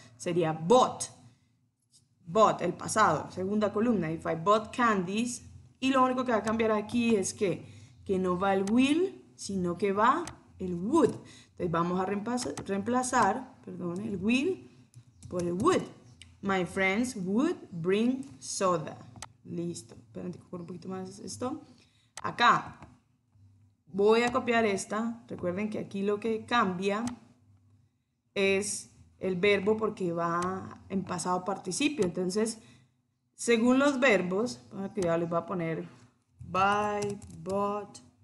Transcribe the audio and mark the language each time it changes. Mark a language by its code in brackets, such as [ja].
[es] Sería bought. Bought, el pasado. Segunda columna. [en] If I bought candies. [es] Y lo único que va a cambiar aquí es que no va el will, sino que va el would. Entonces, vamos a reemplazar, perdón, el will por el would. [en] My friends would bring soda. [es] Listo. Esperen, te cojo un poquito más esto. Acá voy a copiar esta. Recuerden que aquí lo que cambia es el verbo porque va en pasado participio. Entonces, según los verbos, aquí ya les voy a poner buy, bought.